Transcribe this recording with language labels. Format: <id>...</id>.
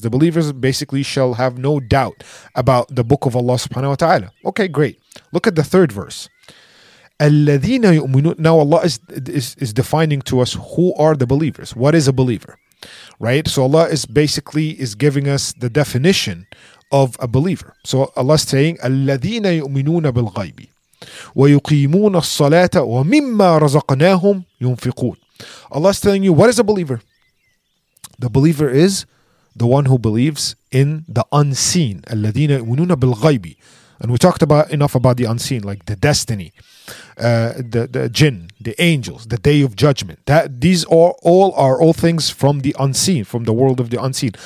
<en>The believers basically shall have no doubt about the book of Allah subhanahu wa ta'ala. Okay, great. Look at the third verse.</en> <ar>الَّذِينَ يُؤْمِنُونَ.</ar> <en>Now Allah is defining to us who are the believers. What is a believer? Right, so Allah is basically giving us the definition of a believer. So Allah is saying,</en> <ar>"الَّذِينَ يُؤْمِنُونَ بِالْغَيْبِ وَيُقِيمُونَ الصَّلَاةَ وَمِمَّا رَزَقْنَاهُمْ يُنفِقُونَ."</ar> <en>Allah is telling you, what is a believer? The believer is the one who believes in the unseen.</en> <ar>الَّذِينَ يُؤْمِنُونَ بِالْغَيْبِ.</ar> <en>And we talked about enough about the unseen, like the destiny, the jinn, the angels, the day of judgment. That these are all things from the unseen, from the world of the unseen.</en>